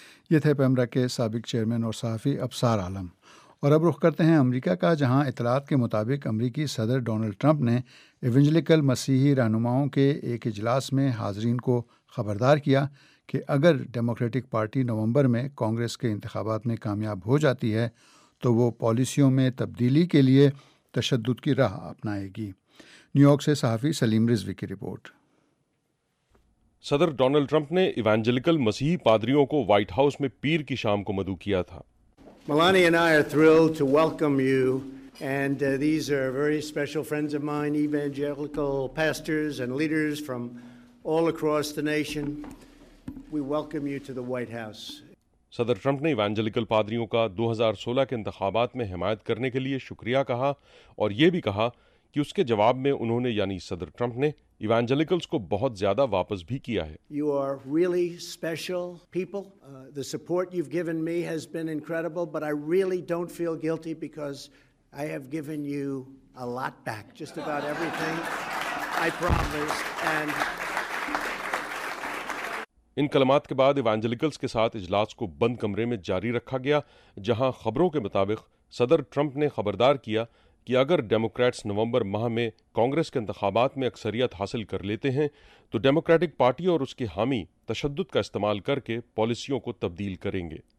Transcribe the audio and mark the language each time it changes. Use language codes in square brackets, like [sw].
[ur] یہ تھے پیمرا کے سابق چیئرمین اور صحافی ابصار عالم. اور اب رخ کرتے ہیں امریکہ کا، جہاں اطلاعات کے مطابق امریکی صدر ڈونلڈ ٹرمپ نے ایونجلیکل مسیحی رہنماؤں کے ایک اجلاس میں حاضرین کو خبردار کیا کہ اگر ڈیموکریٹک پارٹی نومبر میں کانگریس کے انتخابات میں کامیاب ہو جاتی ہے تو وہ پالیسیوں میں تبدیلی کے لیے تشدد کی راہ اپنائے گی. نیو یارک سے صحافی سلیم رضوی کی رپورٹ. صدر ڈونلڈ ٹرمپ نے ایوانجلیکل مسیحی پادریوں کو وائٹ ہاؤس میں پیر کی شام کو مدعو کیا تھا. [en] Melania and I are thrilled to welcome you, and these are very special friends of mine, evangelical pastors and leaders from all across the nation. We welcome you to the White House. [ur] صدر Trump نے ایوانجلیکل پادریوں کا 2016 کے انتخابات میں حمایت کرنے کے لیے شکریہ کہا، اور یہ بھی کہا کہ اس کے جواب میں انہوں نے، یعنی صدر ٹرمپ نے، ایوانجلیکلز کو بہت زیادہ واپس بھی کیا ہے. [en] You are really special people. The support you've given me has been incredible, but I really don't feel guilty because I have given you a lot back, just about everything I promised. And [ur] ان کلمات کے بعد ایوانجلیکلز کے ساتھ اجلاس کو بند کمرے میں جاری رکھا گیا، جہاں خبروں کے مطابق صدر ٹرمپ نے خبردار کیا کہ اگر ڈیموکریٹس نومبر ماہ میں کانگریس کے انتخابات میں اکثریت حاصل کر لیتے ہیں تو ڈیموکریٹک پارٹی اور اس کے حامی تشدد کا استعمال کر کے پالیسیوں کو تبدیل کریں گے.